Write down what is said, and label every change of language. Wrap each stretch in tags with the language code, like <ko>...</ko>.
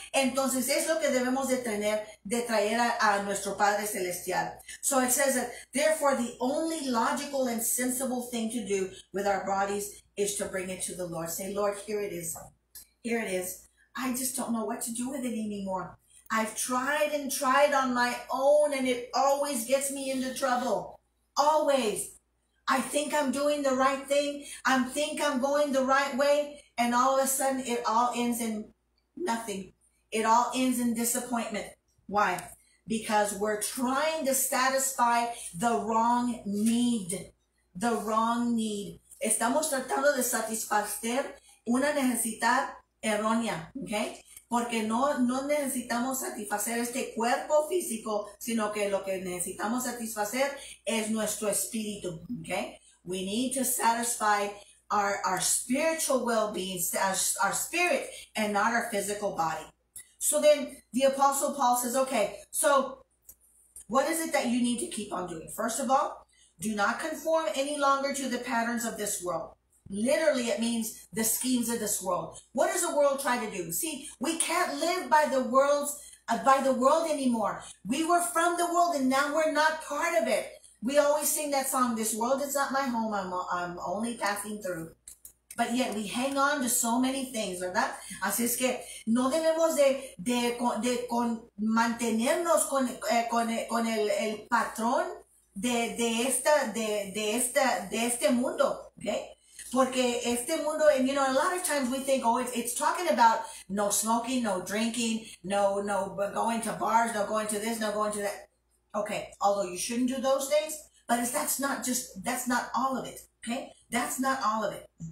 <es>Entonces es lo que debemos de traer a nuestro Padre Celestial.</es> <en>So it says that, therefore, the only logical and sensible thing to do with our bodies is to bring it to the Lord. Say, Lord, here it is. Here it is. I just don't know what to do with it anymore. I've tried and tried on my own, and it always gets me into trouble. Always. I think I'm doing the right thing. I think I'm going the right way. And all of a sudden, it all ends in nothing. It all ends in disappointment. Why? Because we're trying to satisfy the wrong need. The wrong need.</en> <es>Estamos tratando de satisfacer una necesidad errónea, okay? Porque no necesitamos satisfacer este cuerpo físico, sino que lo que necesitamos satisfacer es nuestro espíritu, okay?</es> <en>We need to satisfy our spiritual well-being, our spirit, and not our physical body. So then the Apostle Paul says, okay, so what is it that you need to keep on doing? First of all, do not conform any longer to the patterns of this world. Literally, it means the schemes of this world. What does the world try to do? See, we can't live by the world's by the world anymore. We were from the world, and now we're not part of it. We always sing that song, this world is not my home, I'm only passing through. But yet we hang on to so many things,</en> <es>¿verdad? Así es que no debemos de mantenernos con el patrón de este mundo, ¿okay? Porque este mundo,</es> <en>and you know, a lot of times we think, oh, it's talking about no smoking, no drinking, no going to bars, no going to this, no going to that. Okay, although you shouldn't do those things, but that's not all of it, okay? That's not all of it.</en>